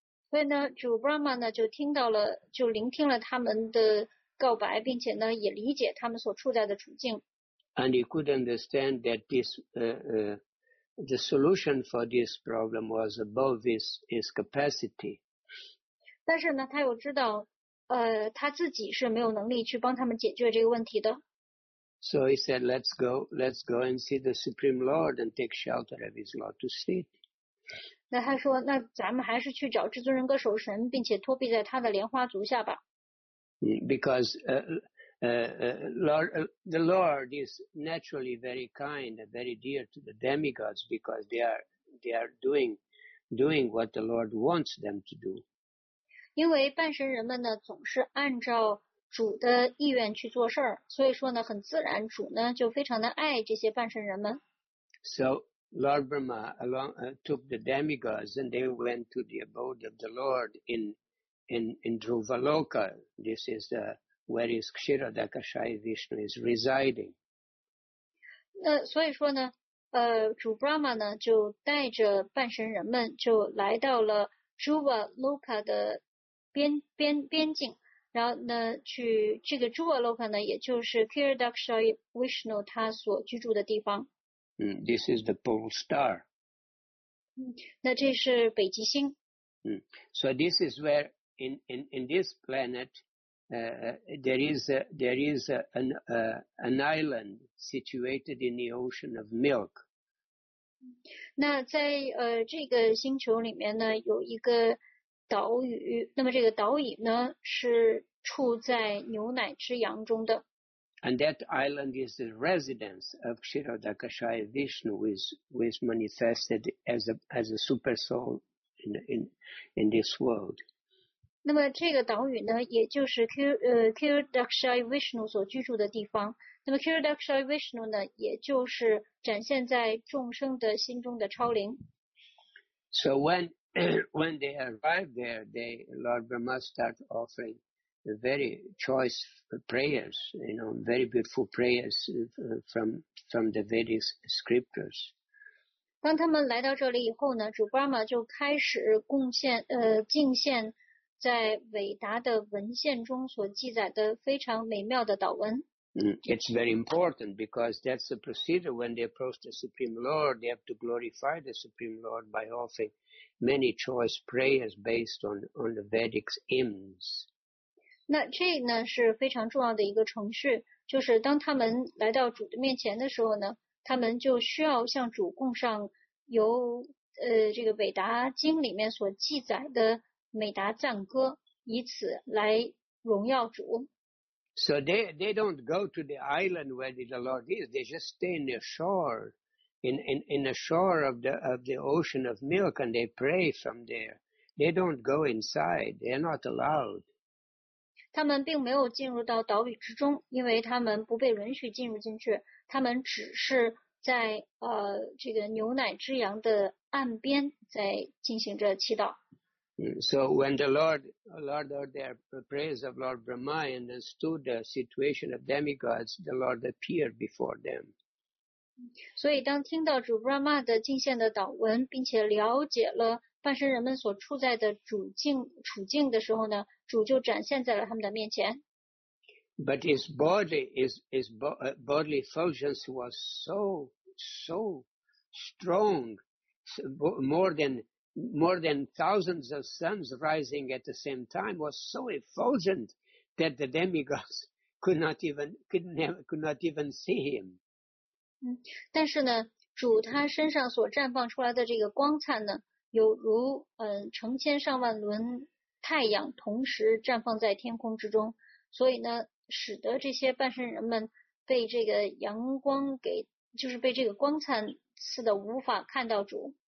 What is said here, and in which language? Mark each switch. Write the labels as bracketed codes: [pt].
[zh] 所以呢，主 Brahma 呢就听到了，就聆听了他们的告白，并且呢也理解他们所处在的处境。 [en] And he could understand that this the solution for this problem was above his capacity. [zh] 但是呢，他又知道，他自己是没有能力去帮他们解决这个问题的。 [en] So he said, let's go and see the Supreme Lord and take shelter of his lotus feet. [zh] 那他说，那咱们还是去找至尊人格守神，并且托庇在他的莲花足下吧。 [en] Because the Lord is naturally very kind and very dear to the demigods because they are doing what the Lord wants them to do. [zh] 因为半神人们呢，总是按照主的意愿去做事儿，所以说呢，很自然，主呢就非常的爱这些半神人们。 [en] So Lord Brahma along took the demigods and they went to the abode of the Lord in Dhruvaloka. This is the where is Kshiradakshaya Vishnu is residing. [zh] 那所以说呢，主 Brahma 呢就带着半神人们就来到了 Dhruvaloka 的边境。然后呢，去这个诸瓦洛克呢，也就是 Kiradakshaya Vishnu 他所居住的地方。 [en] This is the pole star. [zh] 那这是北极星。 [en] So this is where in this planet there is an island situated in the ocean of milk. [zh] 那在这个星球里面呢，有一个岛屿，那么这个岛屿呢是处在牛奶之洋中的。 [en] And that island is the residence of Kshiradakshaya Vishnu, who is manifested as a super soul in this world. [zh] 那么这个岛屿呢，也就是 Kshiradakshaya Vishnu 所居住的地方。那么 Kshiradakshaya Vishnu 呢，也就是展现在众生的心中的超灵。 [en] So when they arrive there, Lord Brahma starts offering very choice prayers, you know, very beautiful prayers from the Vedic scriptures. [zh] 当他们来到这里以后呢，主 Brahma 就开始敬献在伟达的文献中所记载的非常美妙的祷文。 [en] It's very important because that's the procedure when they approach the Supreme Lord, they have to glorify the Supreme Lord by offering many choice prayers based on the Vedic hymns. [zh] 那这呢是非常重要的一个程序，就是当他们来到主的面前的时候呢，他们就需要向主供上由这个韦达经里面所记载的美达赞歌，以此来荣耀主。 [en] So they don't go to the island where the Lord is. They just stay in the shore, in the shore of the ocean of milk, and they pray from there. They don't go inside. They're not allowed. [zh] 他们并没有进入到岛屿之中，因为他们不被允许进入进去，他们只是在这个牛奶之洋的岸边在进行着祈祷。 [en] So when the Lord heard their praise of Lord Brahma and understood the situation of demigods, the Lord appeared before them. [zh] 所以当听到主 Brahma 的敬献的祷文，并且了解了半身人们所处在的处境的时候呢，主就展现在了他们的面前。 [en] But his body, his bodily functions was so strong, more than thousands of suns rising at the same time was so effulgent that the demigods could not even see him. [zh] 但是呢，主他身上所绽放出来的这个光灿呢，有如成千上万轮太阳同时绽放在天空之中，所以呢，使得这些半身人们被这个阳光给，就是被这个光灿刺的无法看到主。